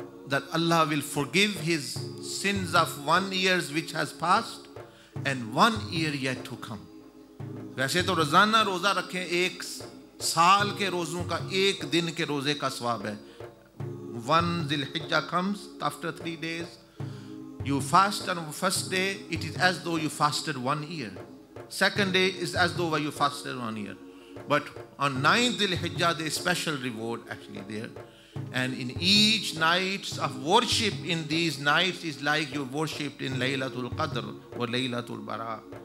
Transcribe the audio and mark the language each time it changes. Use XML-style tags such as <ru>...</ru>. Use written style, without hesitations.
<en>that Allah will forgive his sins of 1 year which has passed and 1 year yet to come.</en> <hi>वैसे तो रोजाना रोजा रखें एक साल के रोजों का एक दिन के रोजे का स्वाब है.</hi> <en>One Dhul Hijjah comes after 3 days. You fast on the first day, it is as though you fasted 1 year. Second day is as though you fasted 1 year. But on 9th Dhul Hijjah, there is special reward actually there. And in each night of worship in these nights is like you worshipped in Laylatul Qadr or Laylatul Bara.</en>